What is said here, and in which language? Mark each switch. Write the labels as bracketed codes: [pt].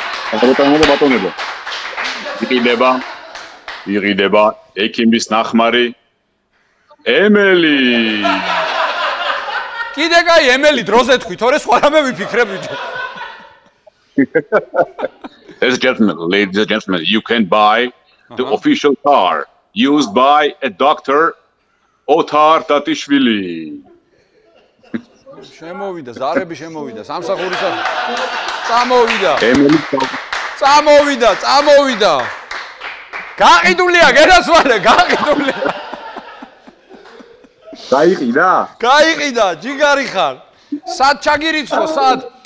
[ka] ქალბატონებო და ბატონებო. იყიდება. იყიდება. ექიმის ნახმარი. ემელი. კიდე კაი ემელი დროზე თქვი, თორე სხვა რამე ვიფიქრებით. [en] This gentleman, ladies and gentlemen, you can buy the official car used by a doctor ოთარ ტატიშვილი. [ka] შემოვიდა, ზარები შემოვიდა, სამსახურისა. წამოვიდა. ემელი წამოვიდა, წამოვიდა. გაყიდულია, გერასვალე, გაყიდულია. გაიყიდა? გაიყიდა, ჯიგარი ხარ. სად ჩაგირიცხო, სად?